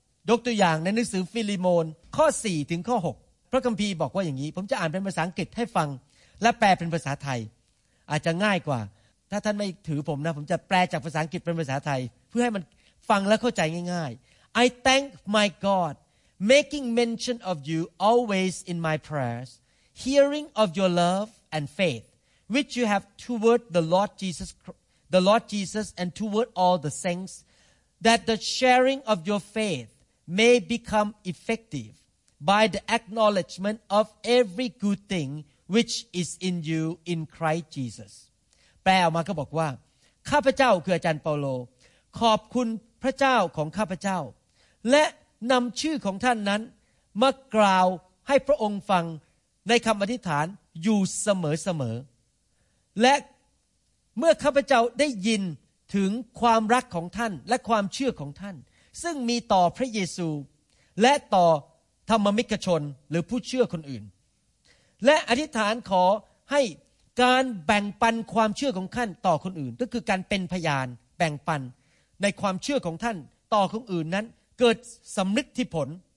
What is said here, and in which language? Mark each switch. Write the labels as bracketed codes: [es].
[th] ยกตัวอย่างในหนังสือฟิลิโมนข้อ4ถึงข้อ6พระคัมภีร์บอกว่าอย่างนี้ผมจะอ่านเป็นภาษาอังกฤษให้ฟังและแปลเป็นภาษาไทยอาจจะง่ายกว่าถ้าท่านไม่ถือผมนะผมจะแปลจากภาษาอังกฤษเป็นภาษาไทยเพื่อให้มันฟังและเข้าใจง่ายๆ [en] I thank my GodMaking mention of you always in my prayers, hearing of your love and faith, which you have toward the Lord Jesus and toward all the saints, that the sharing of your faith may become effective by the acknowledgement of every good thing which is in you in Christ Jesus. [th] แปลออกมาก็บอกว่าข้าพเจ้าคืออาจารย์เปาโลขอบคุณพระเจ้าของข้าพเจ้าและนำชื่อของท่านนั้นมากล่าวให้พระองค์ฟังในคำอธิษฐานอยู่เสมอเสมอ และเมื่อข้าพเจ้าได้ยินถึงความรักของท่านและความเชื่อของท่านซึ่งมีต่อพระเยซูและต่อธรรมมิกชนหรือผู้เชื่อคนอื่นและอธิษฐานขอให้การแบ่งปันความเชื่อของท่านต่อคนอื่นก็คือการเป็นพยานแบ่งปันในความเชื่อของท่านต่อคนอื่นนั้นเกิดสำนึกที่ผล